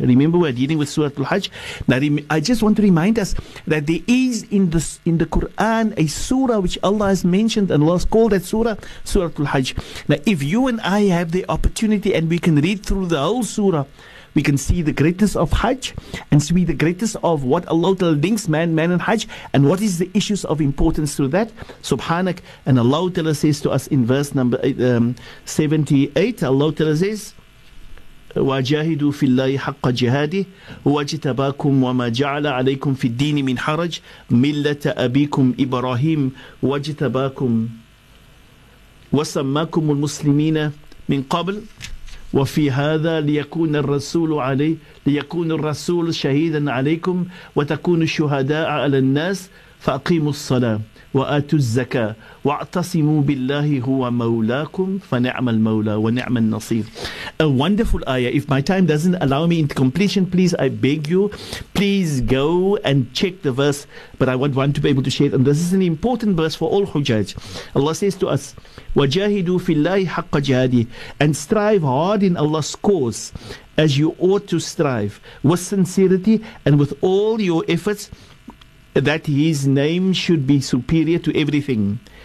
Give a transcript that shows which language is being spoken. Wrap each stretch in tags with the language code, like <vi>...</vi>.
<en>Remember, we're dealing with Surah Al-Hajj. Now, I just want to remind us that there is in the Quran a surah which Allah has mentioned, and Allah has called that surah Surah Al-Hajj. Now, if you and I have the opportunity and we can read through the whole surah, we can see the greatness of Hajj and see the greatness of what Allah Ta'ala links man and Hajj, and what is the issues of importance through that. Subhanak. And Allah Ta'ala says to us in verse number 78, Allah Ta'ala says,</en> <ar>وَجَاهِدُوا فِي اللَّهِ حَقَّ جِهَادِهِ وَاجْتَبَاكُمْ وَمَا جَعَلَ عَلَيْكُمْ فِي الدِّينِ مِنْ حَرَجْ مِلَّةَ أَبِيكُمْ إِبْرَاهِيمُ وَاجْتَبَاكُمْ وَسَمَّاكُمُ الْمُسْلِمِينَ مِنْ قَبْلِ وفي هذا ليكون الرسول عليه ليكون الرسول شهيدا عليكم وتكون الشهداء على الناس فأقيموا الصلاة وآتوا الزكاة واعتصموا بالله هو مولاكم فنعم المولى ونعم النصير.</ar> <en>A wonderful ayah. If my time doesn't allow me into completion, please, I beg you, please go and check the verse. But I want to be able to share it. And this is an important verse for all Hujjaj. Allah says to us,</en> <ar>وَجَاهِدُوا فِي اللَّهِ حَقَّ جَهَادِي,</ar> <en>and strive hard in Allah's cause as you ought to strive, with sincerity and with all your efforts, that his name should be superior to everything.</en>